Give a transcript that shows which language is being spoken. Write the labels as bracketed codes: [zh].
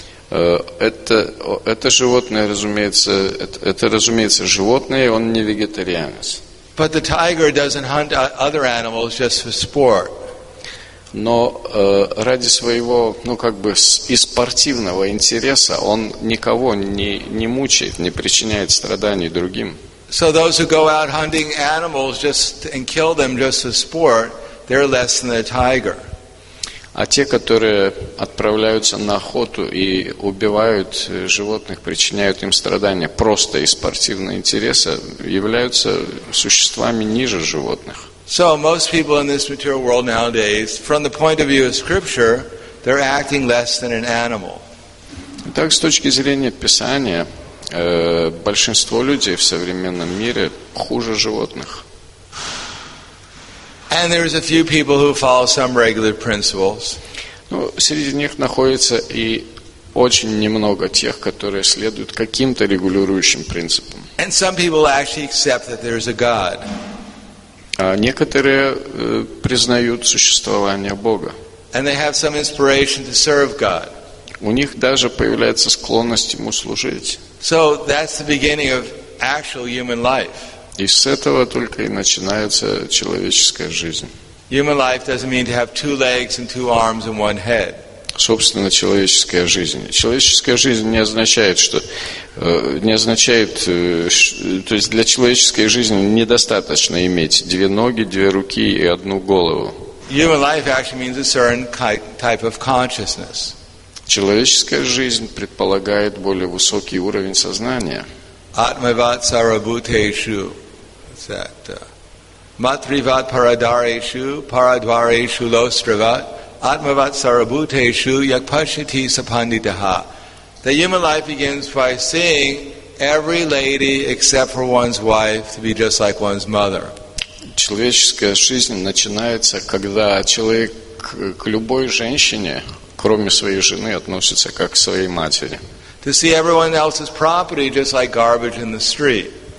[ru] Это животное, разумеется, это разумеется, животное, он не вегетарианец. [en] But the tiger doesn't hunt other animals just for sport. [ru] Но ради своего, ну как бы из спортивного интереса он никого не мучает, не причиняет страданий другим. [en] So those who go out hunting animals just and kill them just for sport, they're less than a tiger. [ru] А те, которые отправляются на охоту и убивают животных, причиняют им страдания просто из спортивного интереса, являются существами ниже животных. [en] So most people in this material world nowadays, from the point of view of scripture, they're acting less than an animal. [ru] Итак, с точки зрения Писания, большинство людей в современном мире хуже животных. [en] And there is a few people who follow some regular principles. [ru] Ну, среди них находится и очень немного тех, которые следуют каким-то регулирующим принципам. [en] And some people actually accept that there is a God. [ru] А некоторые признают существование Бога. [en] And they have some inspiration to serve God. [ru] У них даже появляется склонность ему служить. [en] So that's the beginning of actual human life. [ru] И с этого только и начинается человеческая жизнь. [en] Human life doesn't mean to have two legs and two arms and one head. [ru] Собственно, человеческая жизнь. Человеческая жизнь не означает, что то есть для человеческой жизни недостаточно иметь две ноги, две руки и одну голову. [en] Human life actually means a certain type of consciousness. [ru] Человеческая жизнь предполагает более высокий уровень сознания. [sa] Атмавад сарабутешу. Матривад парадарешу, парадварешу лостравад. Атмавад сарабутешу, якпашити сапандитаха. [en] The human life begins by seeing every lady except for one's wife to be just like one's mother. [ru] Человеческая жизнь начинается, когда человек к любой женщине, кроме своей жены, относится как к своей матери. [en] To see everyone else's property just like garbage in the street.